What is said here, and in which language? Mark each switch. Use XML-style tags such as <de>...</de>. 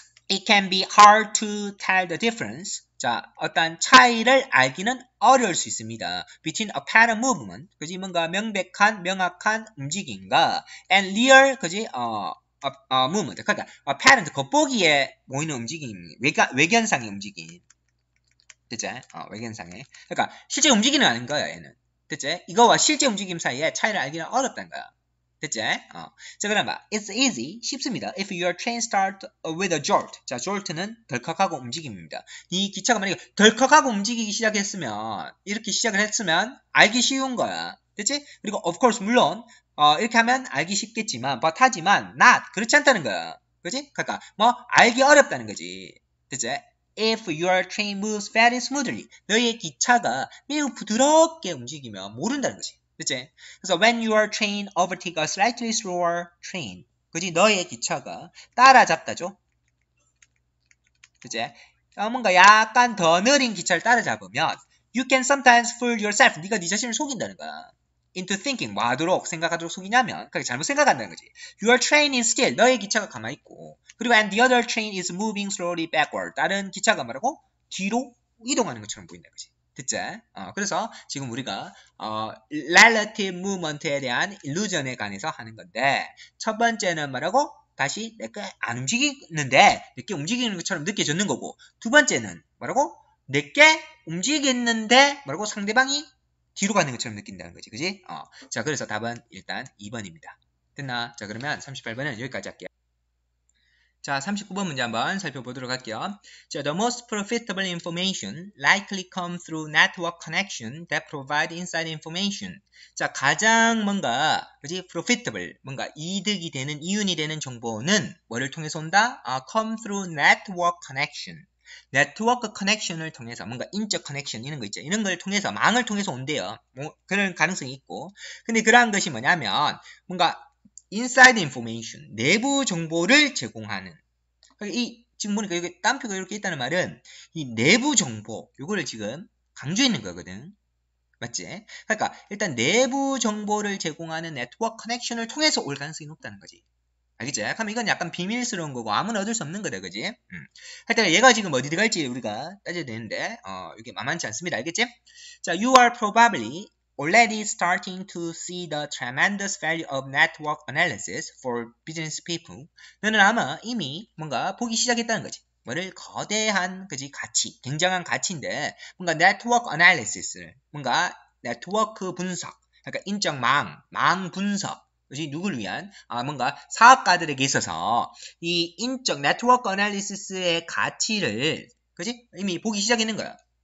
<en>It can be hard to tell the difference.</en> <ko>자, 어떤 차이를 알기는 어려울 수 있습니다.</ko> <en>Between apparent movement,</en> <ko>그지? 뭔가 명백한, 명확한 움직임과</ko> <en>and real,</en> <ko>그지? movement. 그러니까 apparent, 겉보기에 보이는 움직임, 외견상의 움직임. 됐지? 외견상의. 그러니까 실제 움직임은 아닌 거야, 얘는. 됐지? 이거와 실제 움직임 사이에 차이를 알기는 어렵다는 거야. 됐지? 자, 그럼 봐.</ko> <en>It's easy.</en> <ko>쉽습니다.</ko> <en>If your train start with a jolt.</en> <ko>자, jolt는 덜컥하고 움직임입니다. 이 기차가 만약에 덜컥하고 움직이기 시작했으면, 이렇게 시작을 했으면 알기 쉬운 거야. 됐지? 그리고 of course, 물론, 이렇게 하면 알기 쉽겠지만, but 하지만 not. 그렇지 않다는 거야. 그렇지? 그러니까 뭐 알기 어렵다는 거지. 됐지?</ko> <en>If your train moves very smoothly.</en> <ko>너의 기차가 매우 부드럽게 움직이면 모른다는 거지. 그치? 그래서</ko> <en>when your train overtake a slightly slower train.</en> <ko>그지? 너의 기차가 따라잡다죠? 그치? 뭔가 약간 더 느린 기차를 따라잡으면</ko> <en>you can sometimes fool yourself.</en> <ko>네가 네 자신을 속인다는 거야.</ko> <en>into thinking.</en> <ko>뭐하도록 생각하도록 속이냐면 그게 잘못 생각한다는 거지.</ko> <en>your train is still.</en> <ko>너의 기차가 가만히 있고. 그리고</ko> <en>and the other train is moving slowly backward.</en> <ko>다른 기차가 뭐라고? 뒤로 이동하는 것처럼 보인다. 그치? 됐지? 그래서 지금 우리가 relative movement에 대한 illusion에 관해서 하는 건데 첫 번째는 뭐라고? 다시 내게 안 움직이는데 내게 움직이는 것처럼 느껴졌는 거고 두 번째는 뭐라고? 내게 움직였는데 뭐라고? 상대방이 뒤로 가는 것처럼 느낀다는 거지. 그지? 자, 그래서 답은 일단 2번입니다. 됐나? 자, 그러면 38번은 여기까지 할게요. 자, 39번 문제 한번 살펴보도록 할게요.</ko> <en>자, the most profitable information likely comes through network connection that provide inside information.</en> <ko>자, 가장 뭔가, 그지? profitable, 뭔가 이득이 되는, 이윤이 되는 정보는 뭐를 통해서 온다?</ko> <en>come through network connection.</en> <ko>네트워크 커넥션을 통해서 뭔가 인적 커넥션 이런 거 있죠. 이런 걸 통해서 망을 통해서 온대요. 뭐 그런 가능성이 있고. 근데 그러한 것이 뭐냐면 뭔가 인사이드 인포메이션, 내부 정보를 제공하는. 이 지금 보니까 여기 따옴표가 이렇게 있다는 말은 이 내부 정보 요거를 지금 강조했는 거거든. 맞지? 그러니까 일단 내부 정보를 제공하는 네트워크 커넥션을 통해서 올 가능성이 높다는 거지. 알겠지? 그럼 이건 약간 비밀스러운 거고 아무나 얻을 수 없는 거다, 그지? 하여튼 얘가 지금 어디 들어갈지 우리가 따져야 되는데 이게 만만치 않습니다. 알겠지?</ko> <en>자, you are probably already starting to see the tremendous value of network analysis for business people.</en> <ko>너는 아마 이미 뭔가 보기 시작했다는 거지. 뭐를 거대한, 그지? 가치, 굉장한 가치인데 뭔가 네트워크 analysis를 뭔가 네트워크 분석, 그러니까 인적 망, 망 분석. 그지? 누굴 위한? 뭔가 사업가들에게 있어서 이 인적 네트워크 어널리시스의 가치를 그지? 이미 보기 시작했는 거야.</ko>